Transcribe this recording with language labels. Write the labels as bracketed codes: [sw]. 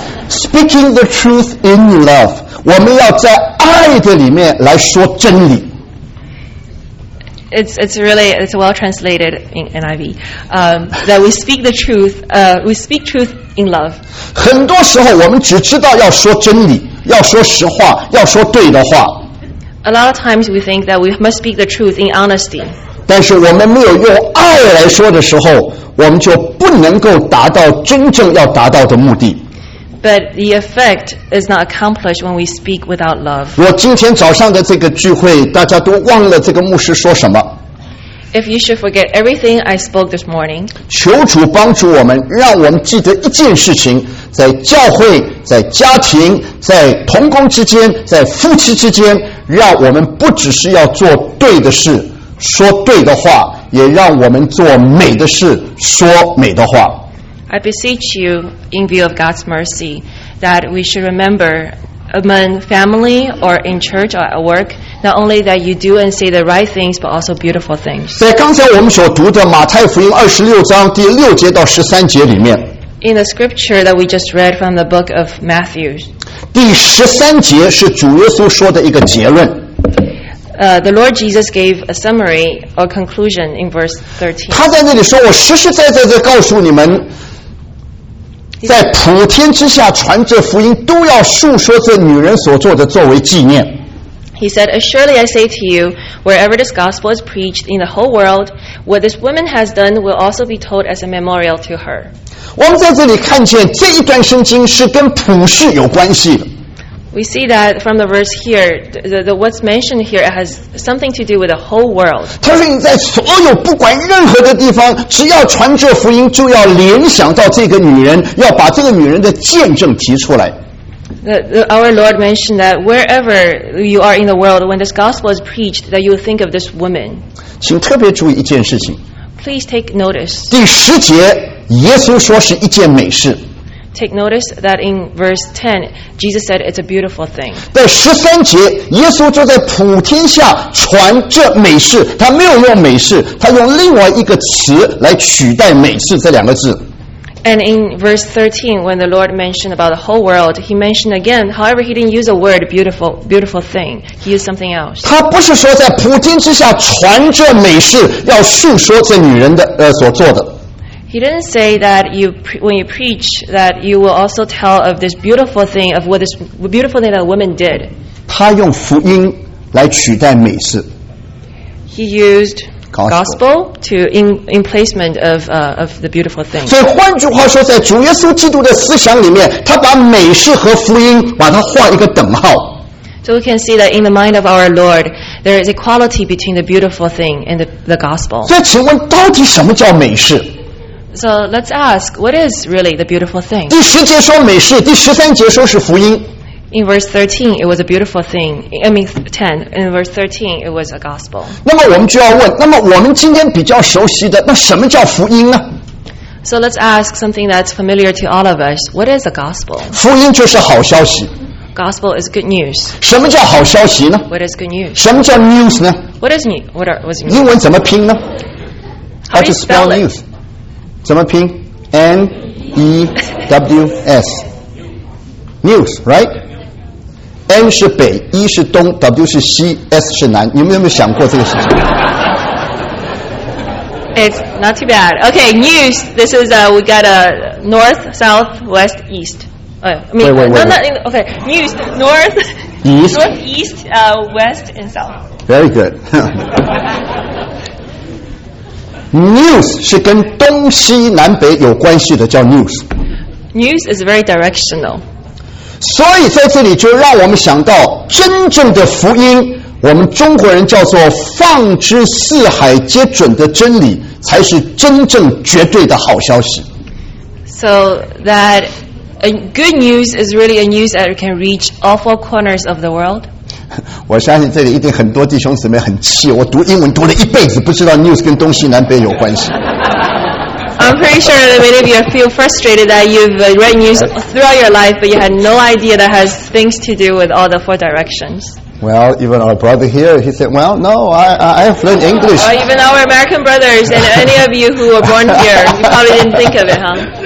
[en] speaking the truth in love. [zh] 我们要在爱的里面来说真理。 [en] It's well translated in NIV. That we speak the truth. We speak truth in love. [zh] 很多时候我们只知道要说真理，要说实话，要说对的话。 [en] A lot of times we think that we must speak the truth in honesty. [zh] 但是我们没有用爱来说的时候，我们就不能够达到真正要达到的目的。 [en] But the effect is not accomplished when we speak without love. [zh] 我今天早上的这个聚会，大家都忘了这个牧师说什么。 [en] If you should forget everything I spoke this morning. [zh] 求主帮助我们，让我们记得一件事情，在教会，在家庭，在同工之间，在夫妻之间，让我们不只是要做对的事，说对的话，也让我们做美的事，说美的话。 [en] I beseech you, in view of God's mercy, that we should remember among family or in church or at work, not only that you do and say the right things, but also beautiful things. [zh] 在刚才我们所读的马太福音二十六章第六节到十三节里面。 [en] In the scripture that we just read from the book of Matthew. [zh] 第十三节是主耶稣说的一个结论。 [en] The Lord Jesus gave a summary or conclusion in verse 13. [zh] 他在那里说，我实实在在在告诉你们，在普天之下传这福音，都要述说这女人所做的作为纪念。 [en] He said, Assuredly I say to you, wherever this gospel is preached in the whole world, what this woman has done will also be told as a memorial to her. [zh] 我们在这里看见这一段圣经是跟普世有关系的。 [en] We see that from the verse here, the what's mentioned here has something to do with the whole world. [zh] 他说你在所有不管任何的地方，只要传这福音，就要联想到这个女人，要把这个女人的见证提出来。 [en] Our Lord mentioned that wherever you are in the world, when this gospel is preached, that you think of this woman. [zh] 请特别注意一件事情。 [en] Please take notice. [zh] 第十节，耶稣说是一件美事。 [en] Take notice that in verse 10, Jesus said it's a beautiful thing. [zh] 在十三节，耶稣就在普天下传这美事，他没有用美事，他用另外一个词来取代美事这两个字。 [en] And in verse 13, when the Lord mentioned about the whole world, he mentioned again, however, he didn't use a word, beautiful thing. He used something else. [zh] 他不是说在普天之下传这美事，要述说这女人的所做的。 [en] He didn't say that when you preach, that you will also tell of this beautiful thing, of what this beautiful thing that a woman did. [zh] 他用福音来取代美事。 [en] He used Gospel to in placement of the beautiful thing. [zh] 所以换句话说，在主耶稣基督的思想里面，他把美事和福音把它画一个等号。 [en] So we can see that in the mind of our Lord, there is equality between the beautiful thing and the gospel. [zh] 所以请问，到底什么叫美事？ [en] So let's ask, what is really the beautiful thing? [zh] 第十节说美事，第十三节说是福音。 [en] In verse 13, it was a beautiful thing. I mean, 10. In verse 13, it was a gospel. [zh] 那么我们就要问，那么我们今天比较熟悉的，那什么叫福音呢？ [en] So let's ask something that's familiar to all of us. What is a gospel? [zh] 福音就是好消息。 [en] Gospel is good news. [zh] 什么叫好消息呢？ [en] What is good news? [zh] 什么叫 news 呢？ [en] What is news? What's news? [zh] 英文怎么拼呢？ [en] How do you spell news? [zh] 怎么拼？ [en] N-E-W-S. News, right? [zh] N 是北 ，E 是东 ，W 是西 ，S 是南。你们有没有想过这个事情 [en] ？It's not too bad. Okay, news. This is we got a north, south, west, east. Wait. No, okay, news. North. East. North, east, west, and south. Very good. [zh] News 是跟东西南北有关系的，叫 news。 [en] News is very directional. [zh] 所以在这里就让我们想到真正的福音，我们中国人叫做放之四海皆准的真理，才是真正绝对的好消息。 [en] So that a good news is really a news that can reach all four corners of the world. [zh] 我相信这里一定很多弟兄姊妹很气，我读英文读了一辈子，不知道 news 跟东西南北有关系。 [en] I'm pretty sure that many of you feel frustrated that you've read news throughout your life, but you had no idea that has things to do with all the four directions. Well, even our brother here, he said, well, no, I have learned English. Or even our American brothers and any of you who were born here, you probably didn't think of it, huh?